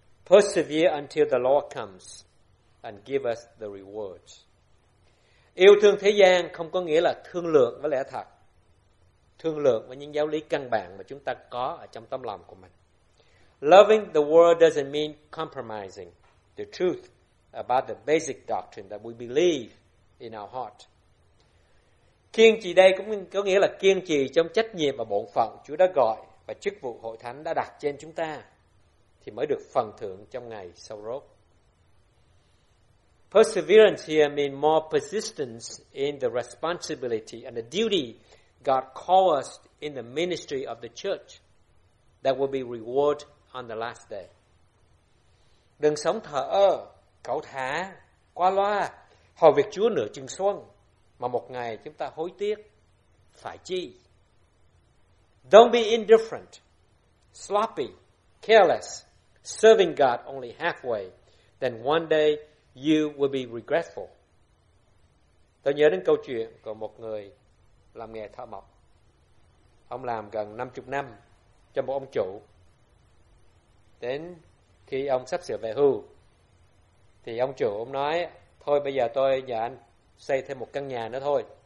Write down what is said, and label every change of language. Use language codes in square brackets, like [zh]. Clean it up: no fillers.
[en] Persevere until the Lord comes and give us the rewards. [vi] Yêu thương thế gian không có nghĩa là thương lượng với lẽ thật, thương lượng với những giáo lý căn bản mà chúng ta có ở trong tâm lòng của mình. [en] Loving the world doesn't mean compromising the truth about the basic doctrine that we believe in our heart. [vi] Kiên trì đây cũng có nghĩa là kiên trì trong trách nhiệm và bổn phận Chúa đã gọi và chức vụ hội thánh đã đặt trên chúng ta, thì mới được phần thưởng trong ngày sau rốt. [en] Perseverance here means more persistence in the responsibility and the duty God calls us in the ministry of the church that will be rewarded on the last day. [vi] Đừng sống thờ ơ, cẩu thả, qua loa, hầu việc Chúa nửa chừng xuân, mà một ngày chúng ta hối tiếc, phải chi? [en] Don't be indifferent, sloppy, careless, serving God only halfway, then one day you will be regretful. [vi] Tôi nhớ đến câu chuyện của một người làm nghề thợ mộc. Ông làm gần 50 năm cho một ông chủ. Đến khi ông sắp sửa về hưu, thì ông chủ ông nói, thôi bây giờ tôi nhờ anh xây thêm một căn nhà nữa thôi.